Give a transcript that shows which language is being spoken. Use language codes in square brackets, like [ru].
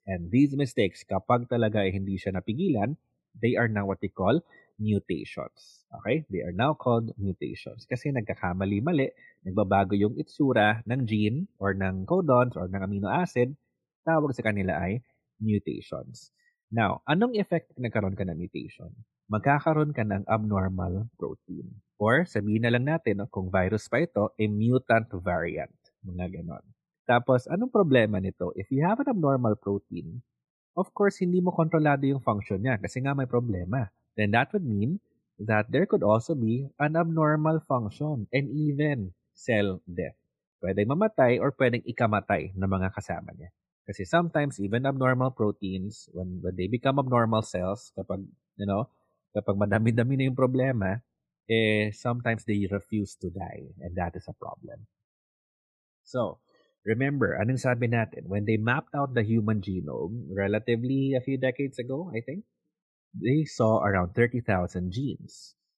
[en] And these mistakes, [tl] kapag talaga eh hindi siya napigilan, [en] they are now what they call mutations. Okay? They are now called mutations. [tl] Kasi nagkakamali-mali, nagbabago yung itsura ng gene or ng codons or ng amino acid, tawag sa kanila ay mutations. Now, anong effect nagkaroon ka ng mutation? Magkakaroon ka ng abnormal protein. Or sabihin na lang natin, kung virus pa ito, a mutant variant. Mga ganon. Tapos, anong problema nito? [en] If you have an abnormal protein, of course, [tl] hindi mo kontrolado yung function niya kasi nga may problema. [en] Then that would mean that there could also be an abnormal function and even cell death. [tl] Pwedeng mamatay or pwedeng ikamatay ng mga kasama niya. [en] Kasi sometimes, even abnormal proteins, when they become abnormal cells, [tl] kapag, you know, kapag madami-dami na yung problema, eh, [en] sometimes they refuse to die. And that is a problem. So, remember, [tl] anong sabi natin? [en] When they mapped out the human genome, relatively a few decades ago, I think, they saw around 30,000 genes.